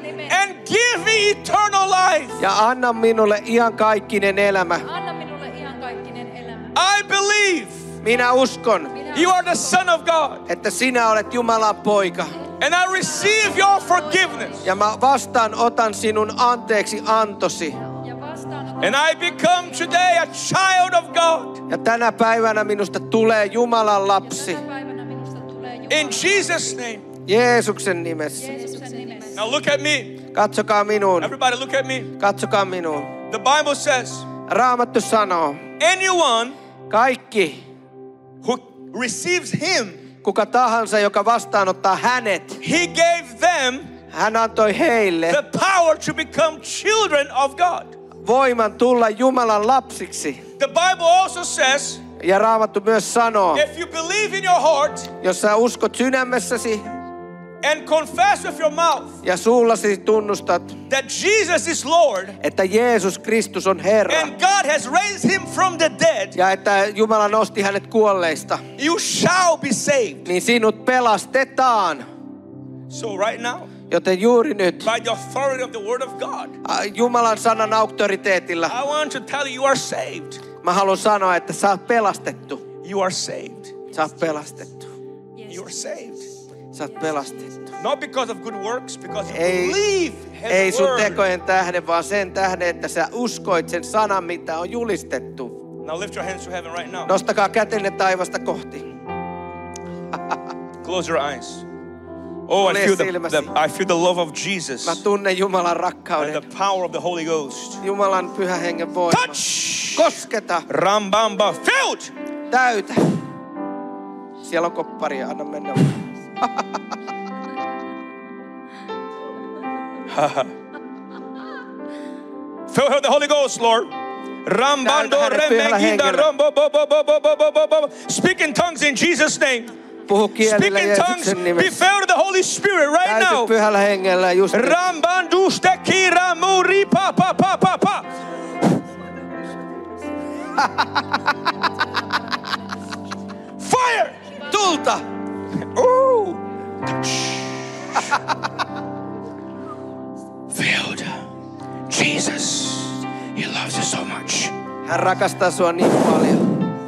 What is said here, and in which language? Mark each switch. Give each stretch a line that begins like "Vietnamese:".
English: And give me eternal life.
Finnish: Ja anna minulle iankaikkinen elämä. Anna minulle iankaikkinen elämä.
English: I believe.
Finnish: Minä uskon.
English: You are the Son of God.
Finnish: Että sinä olet Jumalan poika.
English: And I receive your forgiveness.
Finnish: Ja mä vastaanotan sinun anteeksi antosi.
English: And I become today a child of God.
Finnish: Ja tänä päivänä minusta tulee Jumalan lapsi.
English: In Jesus' name.
Finnish: Jeesuksen nimessä.
English: Now look at me.
Finnish: Katsokaa minuun.
English: Everybody look at me.
Finnish: Katsokaa minuun.
English: The Bible says.
Finnish: Raamattu sanoo.
English: Anyone.
Finnish: Kaikki.
English: Who receives him.
Finnish: Kuka tahansa, joka vastaanottaa hänet.
English: He gave them.
Finnish: Hän antoi heille.
English: The power to become children of God.
Finnish: Voiman tulla Jumalan lapsiksi.
English: The Bible also says.
Finnish: Ja Raamattu myös sanoo.
English: If you believe in your heart.
Finnish: Jos sä uskot sydämessäsi.
English: And confess with your mouth.
Finnish: Ja suullasi tunnustat.
English: That Jesus is Lord.
Finnish: Että Jeesus Kristus on Herra.
English: And God has raised him from the dead.
Finnish: Ja että Jumala nosti hänet kuolleista.
English: You shall be saved.
Finnish: Niin sinut pelastetaan.
English: So right now.
Finnish: Joten juuri nyt.
English: By the authority of the word of God.
Finnish: Jumalan sanan auktoriteetilla.
English: I want to tell you are saved.
Finnish: Mä haluan sanoa, että sä oot pelastettu.
English: You are saved.
Finnish: Sä oot pelastettu.
English: Yes. You are saved.
Finnish: Sä oot pelastettu.
English: Not because of good works, because you believe his word.
Finnish: Ei sun tekojen tähden, vaan sen tähden, että sä uskoit sen sanan, mitä on julistettu.
English: Now lift your hands to heaven right now.
Finnish: Nostakaa kätenne taivasta kohti.
English: Close your eyes. Oh, I feel the love of Jesus.
Finnish: Mä tunnen Jumalan rakkauden.
English: And the power of the Holy Ghost.
Finnish: Jumalan pyhän hengen voima.
English: Touch!
Finnish: Kosketa! Rambamba!
English: Filled!
Finnish: Täytä! Siellä on kopparia, anna mennä.
English: Fill her with the Holy Ghost, Lord. Rambando remeginda rambo bo bo bo bo bo bo bo bo. Speak in tongues in Jesus' name. Speak in tongues. Be filled with the Holy Spirit right now.
Finnish: Pyhällä hengellä just. Rambando steki ramuri pa pa pa pa pa.
English: Fire.
Finnish: Tulta.
English: Filled. Jesus, he loves you so much.
Finnish: Hän rakastaa sua niin paljon.